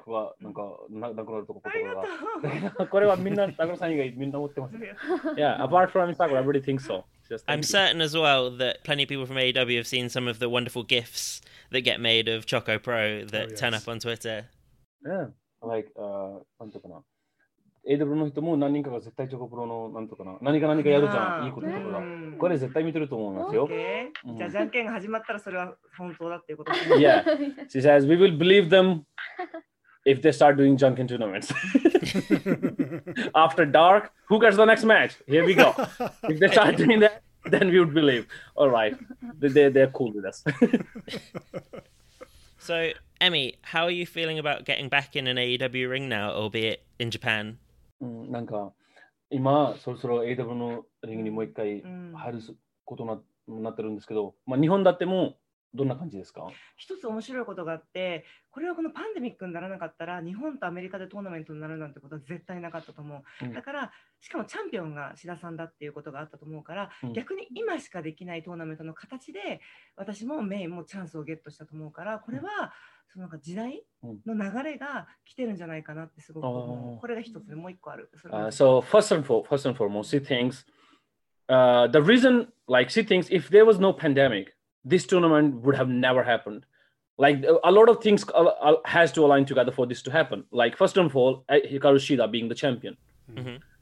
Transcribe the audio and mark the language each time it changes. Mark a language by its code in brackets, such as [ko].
[en] But everyone, Sakura and Ami, everyone thinks so. Yeah, apart from Ami Sakura, everybody thinks so. I'm certain as well that plenty of people from AEW have seen some of the wonderful GIFs that get made of Choco Pro that turn up on Twitter. Yeah, like, what is it? [ja] AW の人も何人かが絶対チョコプロのなんとかな何か何かやるじゃん いいこととか、これ絶対見てると思いますよ。じゃあじゃんけんが始まったらそれは本当だっていうこと。 [en] Yeah, she says we will believe them if they start doing じゃんけん tournaments. After dark, who gets the next match? Here we go. If they start doing that, then we would believe. All right, they're cool with us. So. Emmy, how are you feeling about getting back in an AEW ring now, albeit in Japan? [ja] なんか今そろそろ AEW のリングにもう一回入ることになってるんですけど、まあ日本だってもどんな感じですか？一つ面白いことがあって、これはこのパンデミックにならなかったら日本とアメリカでトーナメントになるなんてことは絶対なかったと思う。だからしかもチャンピオンが志田さんだっていうことがあったと思うから、逆に今しかできないトーナメントの形で私もメインもチャンスをゲットしたと思うから、これはそのなんか時代の流れが来てるんじゃないかなってすごく思う。これが一つでもう一個ある。 [en] So first and foremost, she thinks, the reason, like she thinks, if there was no pandemic,This tournament would have never happened. Like a lot of things has to align together for this to happen. Like first of all, Hikaru Shida being the champion. Mm-hmm.